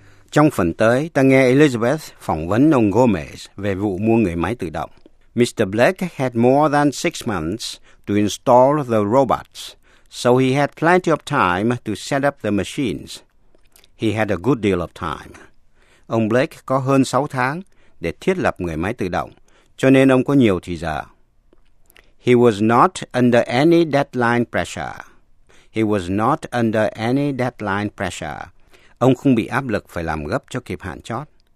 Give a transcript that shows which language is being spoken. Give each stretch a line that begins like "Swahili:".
Vietnamese: Trong phần tới, ta nghe Elizabeth phỏng vấn ông Gomez về vụ mua người máy tự động.
English: Mr. Blake had more than 6 months to install the robots, so he had plenty of time to set up the machines. He had a good deal of time.
Vietnamese: Ông Blake có hơn 6 tháng để thiết lập người máy tự động, cho nên ông có nhiều thời giờ.
English: He was not under any deadline pressure. He was not under any deadline pressure.
Vietnamese: Ông không bị áp lực phải làm gấp cho kịp hạn chót.